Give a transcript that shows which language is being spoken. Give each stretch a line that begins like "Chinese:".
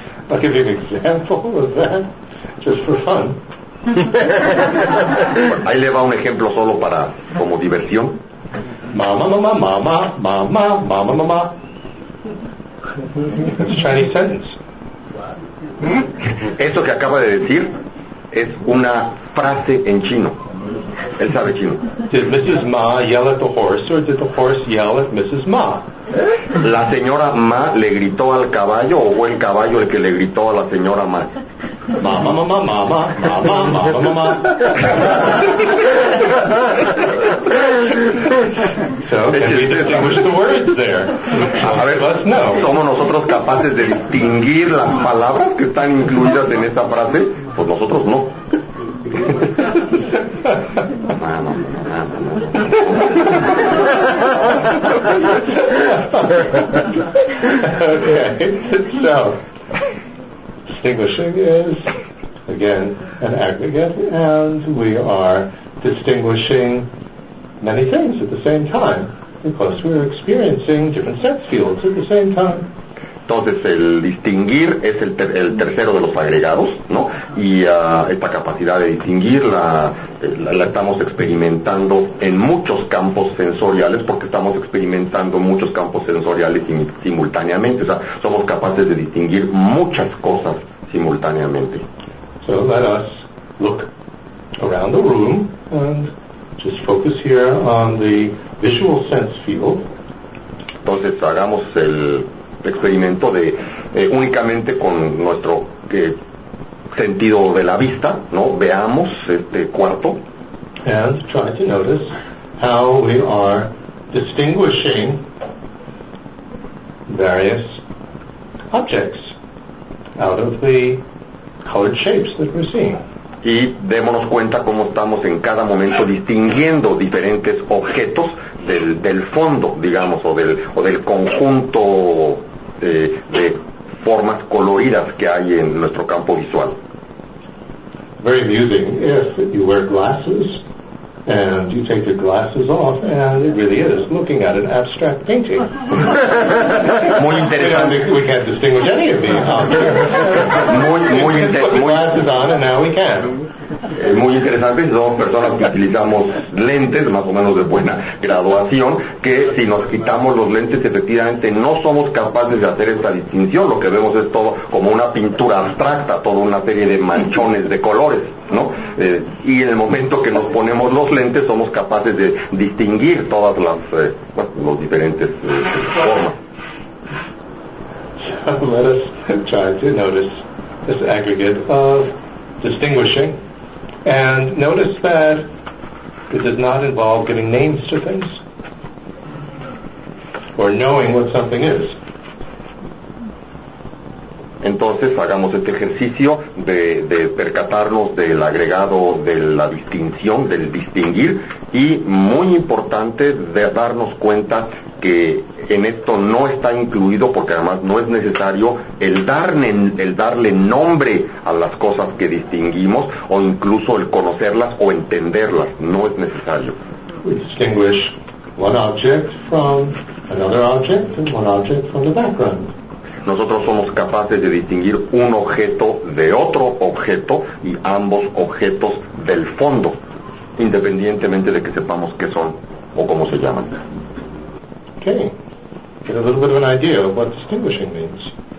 English: I'll give you an example of that, just for fun.
Spanish: Ahí le va un ejemplo solo para como diversión.
Chinese: Mama, mama, mama, mama, mama, mama.
English: It's a Chinese sentence.
Spanish: Esto que acaba de decir es una frase en chino. Él sabe chino.
English: Did Mrs. Ma yell at the horse or did the horse yell at Mrs. Ma?
Spanish: La señora Ma le gritó al caballo o fue el caballo el que le gritó a la señora Ma.
Chinese: Mama, mama, mama, mama, mama, mama.
English: So, can we distinguish the words there?
Spanish: A ver, no. ¿Somos nosotros capaces de distinguir las palabras que están incluidas en esta frase? Pues nosotros no.
English: Okay, so distinguishing is, again, an aggregate, and we are distinguishing many things at the same time, because we're experiencing different sense fields at the same time.
Spanish: Entonces, el distinguir es el tercero de los agregados, ¿no? Y esta capacidad de distinguir la estamos experimentando en muchos campos sensoriales, porque estamos experimentando muchos campos sensoriales simultáneamente. O sea, somos capaces de distinguir muchas cosas simultáneamente.
English: So let us look around the room and just focus here on the visual sense field.
Spanish: Entonces, hagamos el experimento de únicamente con nuestro sentido de la vista, ¿no? Veamos este cuarto.
English: And try to notice how we are distinguishing various objects out of the colored shapes that we're seeing.
Spanish: Y démonos cuenta cómo estamos en cada momento distinguiendo diferentes objetos del fondo, digamos, o del conjunto de formas coloridas que hay en nuestro campo visual.
English: Very amusing if you wear glasses and you take your glasses off and it really is looking at an abstract painting.
Spanish: Muy interesante.
English: We can't distinguish any of these objects.
Spanish: Muy
English: put the glasses on and now we can.
Spanish: muy interesantes, son personas que utilizamos lentes, más o menos de buena graduación, que si nos quitamos los lentes, efectivamente no somos capaces de hacer esta distinción. Lo que vemos es todo como una pintura abstracta, toda una serie de manchones de colores, ¿no? Y en el momento que nos ponemos los lentes, somos capaces de distinguir todas las bueno, los diferentes formas.
English: Let us try to notice this aggregate of distinguishing, and notice that it does not involve giving names to things or knowing what something is.
Spanish: Entonces hagamos este ejercicio de percatarnos del agregado, de la distinción, del distinguir, y muy importante, de darnos cuenta que en esto no está incluido, porque además no es necesario el darle nombre a las cosas que distinguimos, o incluso el conocerlas o entenderlas, no es necesario.
English: We distinguish one object from another object and one object from the background.
Spanish: Nosotros somos capaces de distinguir un objeto de otro objeto y ambos objetos del fondo, independientemente de que sepamos qué son o cómo se llaman.
English: Okay. Get a little bit of an idea of what distinguishing means.